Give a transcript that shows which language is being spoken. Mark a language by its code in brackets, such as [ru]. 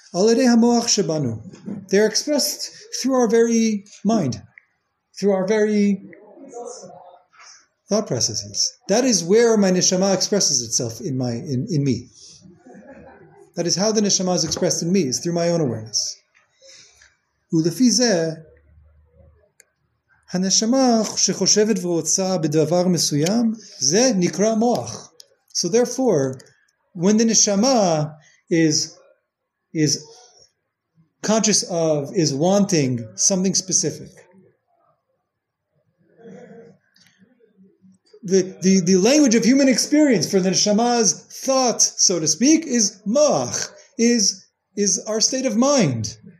[he] Al yedei hamoach shebanu. [en] They're expressed through our very mind, through our very thought processes. That is where my neshama expresses itself in me. That is how the neshama is expressed in me, is through my own awareness. [he] Ulefi zeh, הנשמה שחושבת ורוצה בדבר מסוים, זה נקרא מוח. [en] So therefore, when the neshama is conscious of, is wanting something specific, the language of human experience for the neshama's thought, so to speak, is moach, is our state of mind.